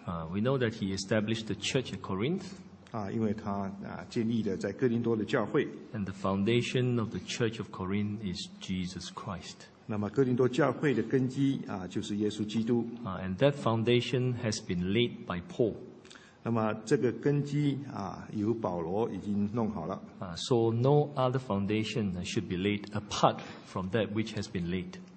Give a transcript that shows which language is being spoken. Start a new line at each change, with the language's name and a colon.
English: We know that he established the church at Corinth.
Chinese: 因为他建立了在哥林多的教会。
English: And the foundation of the church of Corinth is Jesus Christ.
Chinese: 那么哥林多教会的根基就是耶稣基督。
English: And that foundation has been laid by Paul.
Chinese: 那么这个根基由保罗已经弄好了。So
English: no other foundation should be laid apart from that which has been laid.